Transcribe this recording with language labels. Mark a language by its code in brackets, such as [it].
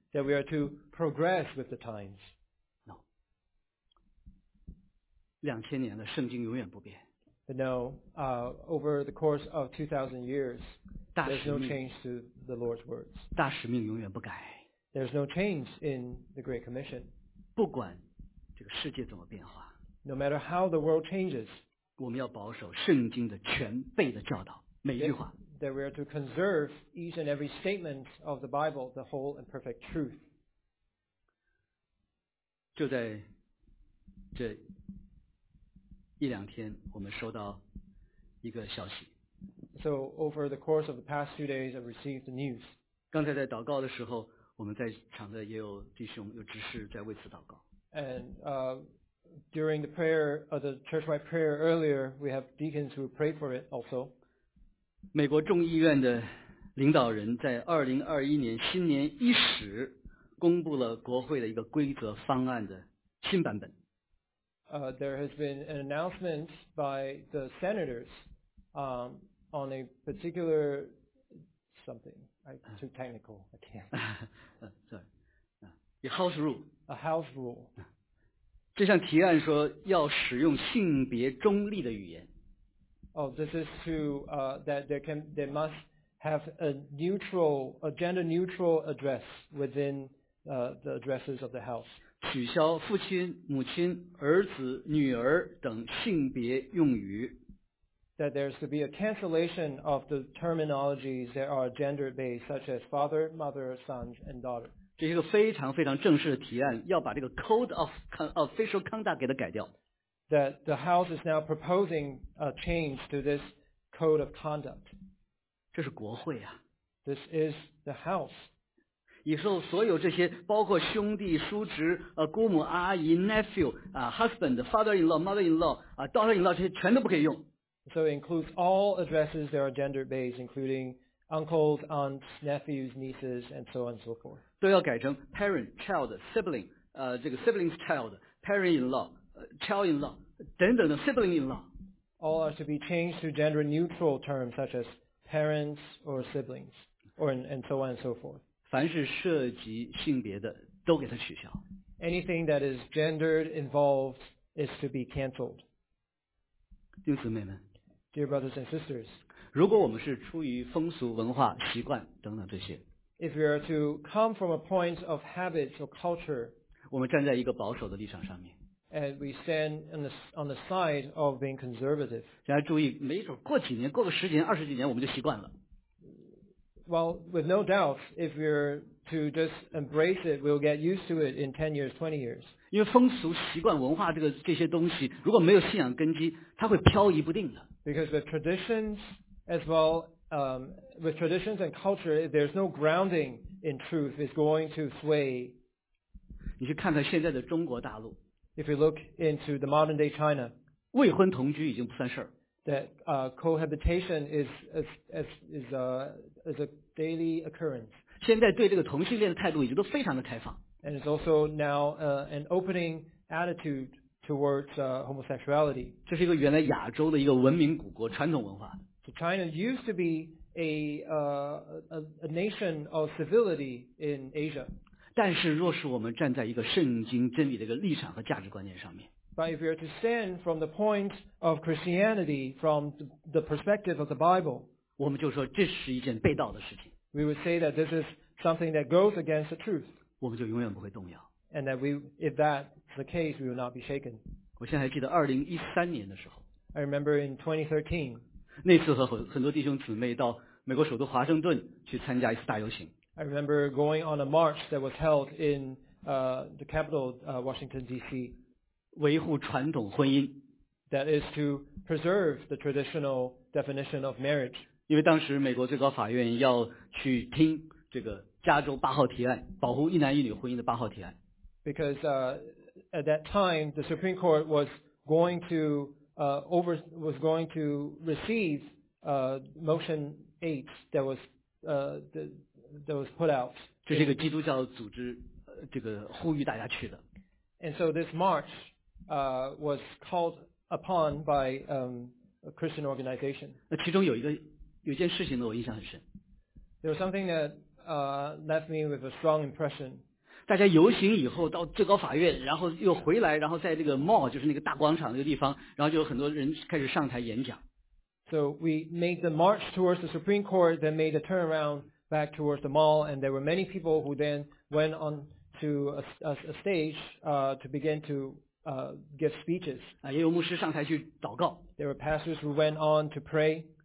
[en] That we are to progress with the times. [zh] 两千年了，圣经永远不变。 [en] But no, over the course of 2,000 years, there's no change to the Lord's words. [zh] 大使命永远不改。 [en] There's no change in the Great Commission. [zh] 不管这个世界怎么变化。 [en] No matter how the world changes. [zh] 我们要保守圣经的全备的教导，每一句话。 [en] That we are to conserve each and every statement of the Bible, the whole and perfect truth. [zh] 就在这。一两天我们收到一个消息。 [en] So over the course of the past two days, I received the news. [zh] 刚才在祷告的时候，我们在场的也有弟兄有执事在为此祷告。 [en] And during the prayer of the churchwide prayer earlier, we have deacons who pray for it also. [zh] 美国众议院的领导人在2021年新年伊始公布了国会的一个规则方案的新版本。 [en] There has been an announcement by the senators, on a particular something. I'm too technical. I can't. Sorry. A house rule. A house rule. [zh] 这项提案说要使用性别中立的语言。 [en] Oh, this is to that there can they must have a neutral, a gender neutral address within the addresses of the house. [zh] 取消父亲、母亲、儿子、女儿等性别用语。 [en] That there's to be a cancellation of the terminologies that are gender based, such as father, mother, son, and daughter. [zh] 这是一个非常非常正式的提案，要把这个 Code of Official Conduct 给它改掉。 [en] That the House is now proposing a change to this Code of Conduct. [zh] 这是国会啊。 [en] This is the House. [zh] 以后所有这些，包括兄弟、叔侄、姑母、阿姨、 [en] nephew、husband、father-in-law、mother-in-law、daughter-in-law [zh] 这些全都不可以用。 [en] So it includes all addresses that are gender-based, including uncles, aunts, nephews, nieces, and so on and so forth. [zh] 都要改成 [en] parent, child, sibling, [zh] 这个 [en] sibling's child, parent-in-law, child-in-law, [zh] 等等的 [en] sibling-in-law. All are to be changed to gender-neutral terms, such as parents or siblings, or and so on and so forth. [zh] 凡是涉及性别的都给它取消。 [en] Anything that is gendered involved is to be canceled. [zh] 弟兄姊妹们 [en] ，Dear brothers and sisters， [zh] 如果我们是出于风俗文化习惯等等这些 [en] ，If we are to come from a point of habits or culture， [zh] 我们站在一个保守的立场上面 [en] ，And we stand on the side of being conservative， [zh] 大家注意，没准过几年、过个十几年、二十几年，我们就习惯了。 [en] Well, with no doubt, if we're to just embrace it, we'll get used to it in 10 years, 20 years。 [zh] 因为风俗、习惯、文化这个这些东西，如果没有信仰根基，它会飘移不定的。 [en] Because with traditions as well, with traditions and culture, if there's no grounding in truth, it's going to sway. [zh] 你去看看现在的中国大陆。 [en] If you look into the modern day China, [zh] 未婚同居已经不算事儿。 [en] That cohabitation is a daily occurrence. [zh] 现在对这个同性恋的态度已经都非常的开放。 [en] And it's also now an opening attitude towards homosexuality. [zh] 这是一个原来亚洲的一个文明古国传统文化。 [en] So China used to be a nation of civility in Asia. [zh] 但是若是我们站在一个圣经真理的一个立场和价值观念上面。 [en] But if you are to stand from the point of Christianity, from the perspective of the Bible, [zh] 我们就说这是一件背道的事情。 [en] We would say that this is something that goes against the truth. [zh] 我们就永远不会动摇。 [en] And that we, if that's the case, we will not be shaken. [zh] 我现在还记得2013年的时候。 [en] I remember in 2013. [zh] 那次和很多弟兄姊妹到美国首都华盛顿去参加一次大游行。 [en] I remember going on a march that was held in the capital, Washington, D.C. [zh] 维护传统婚姻。 [en] That is to preserve the traditional definition of marriage. [zh] 因为当时美国最高法院要去听这个加州八号提案，保护一男一女婚姻的八号提案。 [en] Because at that time the Supreme Court was going to receive motion 8 that was put out. [zh] 这是一个基督教组织这个呼吁大家去的。 [en] And so this march was called upon by a Christian organization. [zh] 那其中有件事情呢，我印象很深。 [en] There was something that left me with a strong impression. [zh] 大家游行以后到最高法院，然后又回来，然后在这个 mall 就是那个大广场那个地方，然后就有很多人开始上台演讲。 [en] So we made the march towards the Supreme Court, then made a turnaround back towards the mall, and there were many people who then went on to a stage to begin to give speeches. [zh] 也有牧师上台去祷告。 [en] There were pastors who went on to pray.